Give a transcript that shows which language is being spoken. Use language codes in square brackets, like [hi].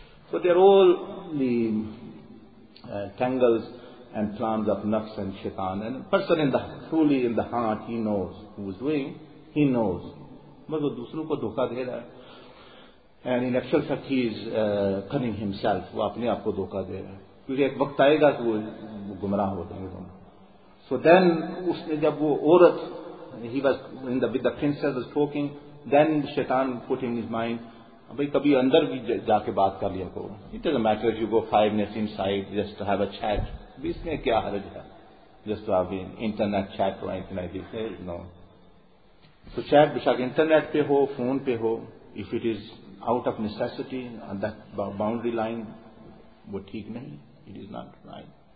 [en] So they are all the tangles and plans of nafs and shaitan. And a person in the truly in the heart, he knows who is doing, he knows. But [ur] wo dusro ko dhoka de raha hai. [en] And in actual fact, he is cunning himself. [ur] وہ اپنے آپ کو دھوکہ دے رہا ہے. کیونکہ ایک وقت آئے گا کہ وہ گمراہ ہو جائیں گے. [en] So then, [ur] اس نے جب وہ عورت, [en] he was in the, with the princess was talking, then شیطان put in his mind, [ur] بھئی کبھی اندر بھی جا کے بات کر لیا کو. [en] It doesn't matter if you go 5 minutes inside just to have a chat. [ur] اس میں کیا حرج ہے? [en] just to have an internet chat or anything like this. No. So chat, bishak, [ur] internet pe ho, phone pe ho, [en] if it is out of necessity, and that boundary line, [ur] wo theek nahi, [en] it is not right.